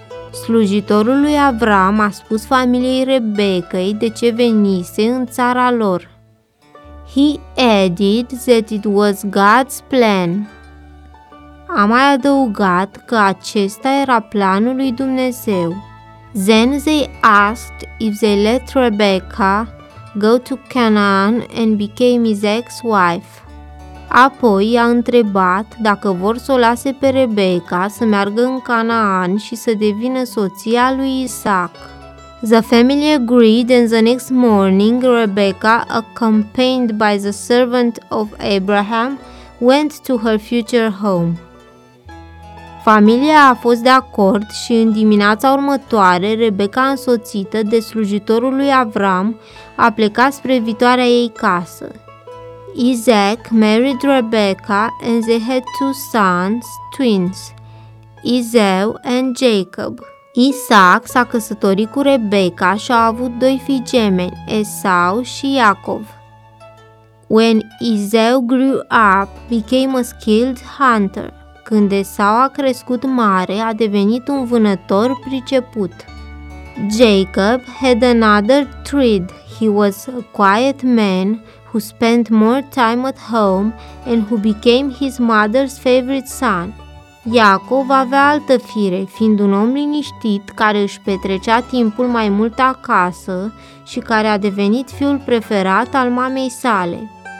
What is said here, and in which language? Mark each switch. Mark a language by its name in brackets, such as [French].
[Romanian] Slujitorul lui Avram a spus familiei Rebecca-i de ce venise în țara lor. [English] He added that it was God's plan. [Romanian] A mai adăugat că acesta era planul lui Dumnezeu. [English] Then they asked if they let Rebecca go to Canaan and became Isaac's wife. [Romanian] Apoi i-a întrebat dacă vor să o lase pe Rebecca să meargă în Canaan și să devină soția lui Isaac. [English] The family agreed and the next morning Rebecca, accompanied by the servant of Abraham, went to her future home. [Romanian] Familia a fost de acord și în dimineața următoare, Rebecca, însoțită de slujitorul lui Avram, a plecat spre viitoarea ei casă. [English] Isaac married Rebecca and they had two sons, twins, Esau and Jacob. [Romanian] Isaac s-a căsătorit cu Rebecca și au avut doi fii gemeni, Esau și Iacov. [English] When Esau grew up, became a skilled hunter. [Romanian] Când Esau a crescut mare, a devenit un vânător priceput. [English] Jacob had another trait. He was a quiet man who spent more time at home and who became his mother's favorite son. [Romanian] Iacov avea altă fire, fiind un om liniștit care își petrecea timpul mai mult acasă și care a devenit fiul preferat al mamei sale.